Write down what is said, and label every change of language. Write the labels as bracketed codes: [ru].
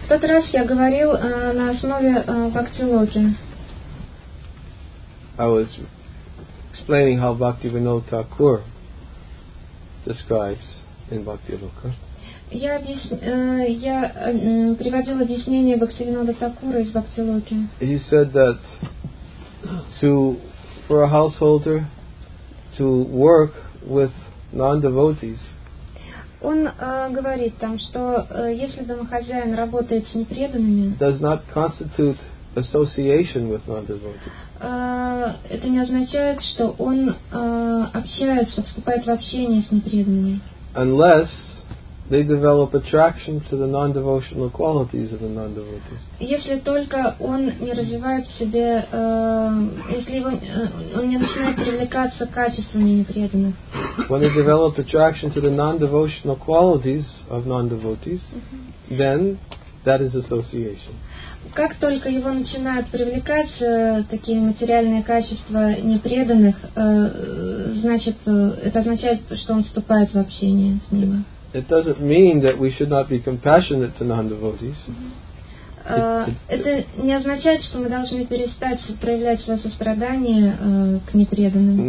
[ru] В тот раз я говорил на основе Бхакти Локи. [en] I was explaining how Bhakti Vinod Thakur describes in Bhakti Loka. [ru] Я приводил объяснение Бхактивинода Такура из Бхактилоки. [en] He said that for a householder to work with non-devotees. [ru] Он говорит там, что если домохозяин работает с непреданными, [en] does not constitute association with non-devotees. [ru] Это не означает, что он общается, вступает в общение с непреданными. [en] Unless they develop attraction to the non-devotional qualities of the non-devotees. [ru] Если только он не развивает в себе, он не начинает привлекаться качествами непреданных. [en] When they develop attraction to the non-devotional qualities of non-devotees, then that is association. [ru] Как только его начинают привлекать такие материальные качества непреданных, значит, это означает, что он вступает в общение с ними. [en] It doesn't mean that we should not be compassionate to non-devotees. [ru] Это не означает, что мы должны перестать проявлять свое сострадание к непреданным.